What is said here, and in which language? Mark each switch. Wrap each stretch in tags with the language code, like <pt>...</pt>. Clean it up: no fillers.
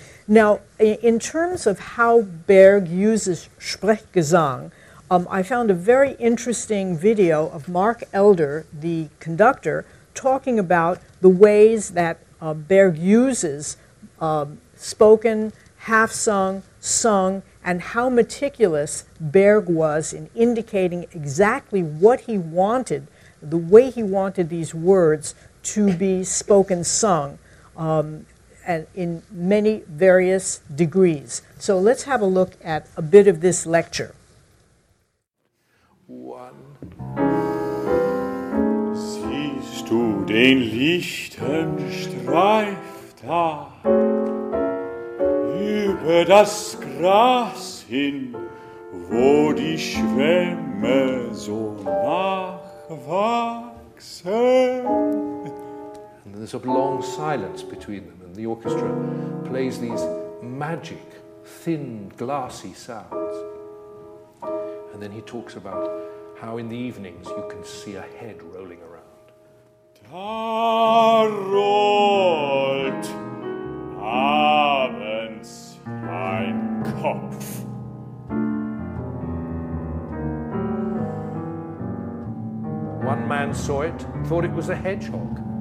<en>Now, in terms of how Berg uses Sprechgesang, I found a very interesting video of Mark Elder, the conductor, talking about the ways that Berg uses spoken, half-sung, sung, and how meticulous Berg was in indicating exactly what he wanted, the way he wanted these words to be spoken, sung, and in many various degrees. So let's have a look at a bit of this lecture. One.</en> <de>Siehst du den lichten Streif da über das Gras hin, wo die Schwämme so nachwachsen?</de> <en>And there's a long silence between them, and the orchestra plays these magic, thin, glassy sounds. And then he talks about how in the evenings you can see a head rolling around.</en> <de>Da rollt abends ein Kopf.</de> <en>One man saw it, thought it was a hedgehog.</en>